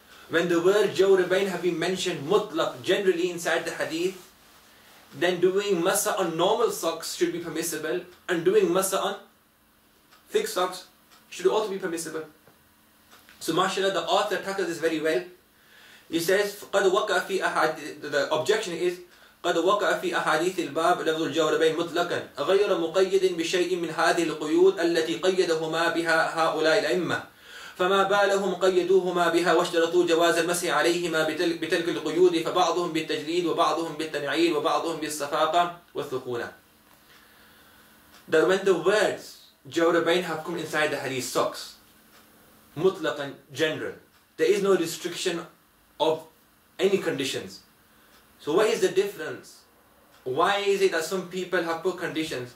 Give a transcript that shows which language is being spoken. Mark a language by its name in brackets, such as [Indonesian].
[English] When the word Jawrabain have been mentioned mutlaq, generally inside the hadith, then doing masa on normal socks should be permissible, and doing masa on thick socks should also be permissible. So mashallah, the author tackles this very well. He says, [Arabic] قَدْ وَقَعَ فِي أَحَادِثِ, [English] the objection is, [Arabic] قَدْ وَقَعَ فِي أَحَادِثِ الْبَابِ لَفْظُ الْجَوْرَبَيْنِ مُطْلَقًا أَغَيْرَ مُقَيِّدٍ بِشَيْءٍ مِنْ هَذِهِ الْقُيُودِ الَّتِي قَيَّدَهُمَا بِهَا هَؤُلَاءِ الْأَئِمَّةِ فما بالهم قيدوهما بها واشترطوا جواز المسح عليهما بتلك القيود فبعضهم بالتجليد وبعضهم بالتنعيل وبعضهم بالصفاقة والثقولة. [English] That when the words جوربين have come inside the hadith socks, مطلقا general, there is no restriction of any conditions. So what is the difference? Why is it that some people have put conditions?